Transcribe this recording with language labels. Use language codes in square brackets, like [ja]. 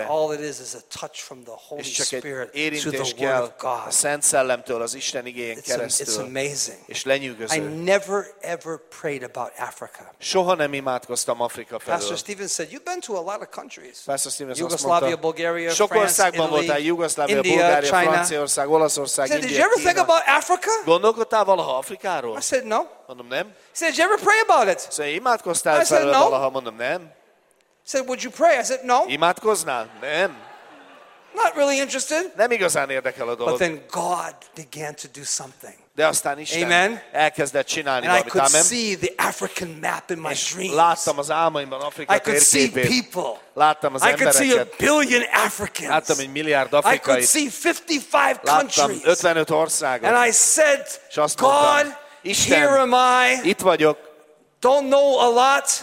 [en] And all it is a touch from the Holy Spirit to the [hu] kell [en] Word of God. [hu] A Szent Szellemtől, az Isten igéjén keresztül. [en] It's amazing. [hu] És lenyűgöző. [en] I never ever prayed about Africa. [hu] Soha nem imádkoztam Afrika felől. [en] Pastor Stephen said you've been to a lot of countries. Pastor Stephen Yugoslavia, [hu] mondta, [en] Bulgaria, [hu] sok országban voltál, Jugoszlávia, Bulgária, Franciaország, Olaszország, [en] India. Did you ever think about Africa? [hu] Gondolkodtál valaha Afrikáról? [en] I said no. [hu] Mondom, nem. [en] He said, "Did you ever pray about it?" [hu] Say, imádkoztál felőle valaha? Mondom, nem. [en] He said, "Would you pray?" I said, "No." [hu] Imádkoznál? Nem. [en] Not really interested. [hu] Nem igazán érdekel a dolog. [en] But then God began to do something. [hu] De aztán Isten elkezdett csinálni valamit. [en] I could see the African map in my dreams. [hu] Láttam az álmaimban Afrika térképét. [en] I could see people. [hu] Láttam az embereket. [en] I could see a billion Africans. [hu] Láttam egy milliárd afrikait. [en] I could see 55 countries. [hu] Láttam 55 országot. [en] And I said, God, [hu] Isten, [en] here am I. [hu] Itt vagyok. [en] Don't know a lot.